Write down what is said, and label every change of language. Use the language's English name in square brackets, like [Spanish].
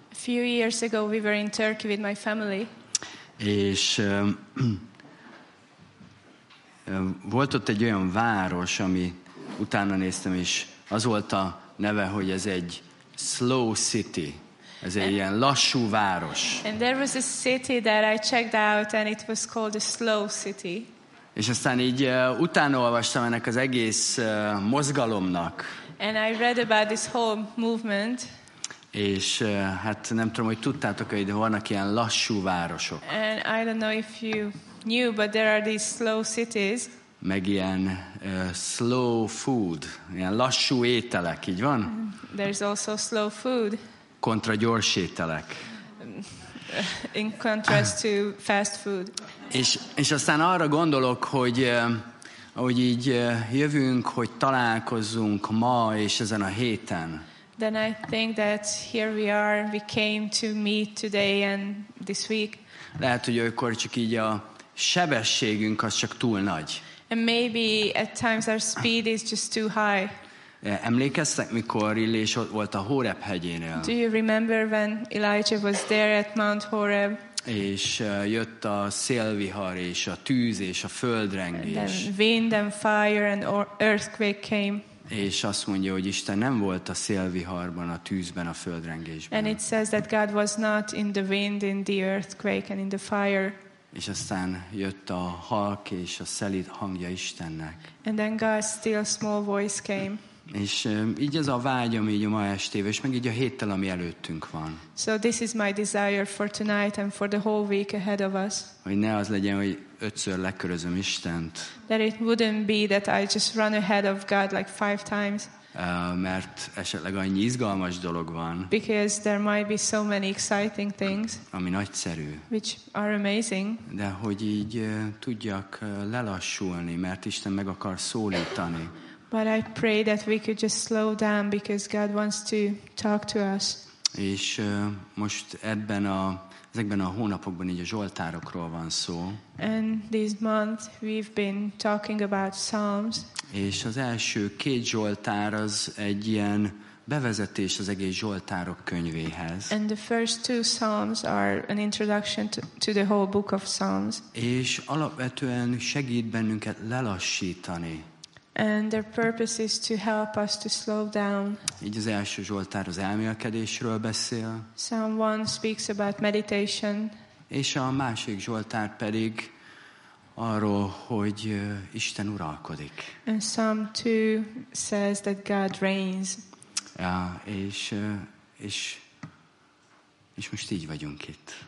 [English] A few years ago we were in Turkey with my family. [Hungarian] És volt ott egy olyan város, ami utána néztem is, az volt a neve, hogy ez egy slow city. Ez egy ilyen lassú város. [English] And there was a city that I checked out, and it was called a slow city. [Hungarian] És aztán így utána olvastam ennek az egész mozgalomnak. [English] And I read about this whole movement. [Hungarian] És hát nem tudom, hogy tudtátok-e, hogy vannak ilyen lassú városok. [English] And I don't know if you knew, but there are these slow cities. [Hungarian] Meg ilyen slow food, ilyen lassú ételek, így van? [English] There's also slow food. [Hungarian] Kontra gyors ételek. [English] In contrast to fast food. [Hungarian] És aztán arra gondolok, hogy így jövünk, hogy találkozzunk ma és ezen a héten. [English] Then I think that here we are, we came to meet today and this week. [Hungarian] Lehet, hogy olykor csak így a sebességünk az csak túl nagy. [English] And maybe at times our speed is just too high. [Hungarian] Emlékeztek, mikor Illés ott volt a Horeb hegyénél? [English] Do you remember when Elijah was there at Mount Horeb? [Hungarian] És jött a szélvihar és a tűz és a földrengés. [English] And then wind and fire and earthquake came. [Hungarian] És azt mondja, hogy Isten nem volt a szélviharban, a tűzben, a földrengésben. [English] And it says that God was not in the wind, in the earthquake and in the fire. [Hungarian] És aztán jött a halk és a szelíd hangja Istennek. [English] And then God's still small voice came. [Hungarian] És így ez a vágyam így a ma estéve, és meg így a héttel, ami előttünk van. [English] So this is my desire for tonight and for the whole week ahead of us. [Hungarian] Hogy ne az legyen, hogy ötször lekörözöm Istent. [English] That it wouldn't be that I just run ahead of God like five times. [Hungarian] Mert esetleg annyi izgalmas dolog van. [English] Because there might be so many exciting things. [Hungarian] Ami nagyszerű. [English] Which are amazing. [Hungarian] De hogy így tudjak lelassulni, mert Isten meg akar szólítani. [English] But I pray that we could just slow down because God wants to talk to us. [Hungarian] És most ezekben a hónapokban így a zsoltárokról van szó. [English] And this month we've been talking about Psalms. [Hungarian] És az első két zsoltár az egy ilyen bevezetés az egész zsoltárok könyvéhez. [English] And the first two Psalms are an introduction to the whole book of Psalms. [Hungarian] És alapvetően segít bennünket lelassítani. [English] And their purpose is to help us to slow down. [Hungarian] Így az első zsoltár az elmélkedésről beszél. [English] Psalm 1 speaks about meditation. [Hungarian] És a másik zsoltár pedig arról, hogy Isten uralkodik. [English] And Psalm 2 says that God reigns. [Hungarian] Ja, és most így vagyunk itt.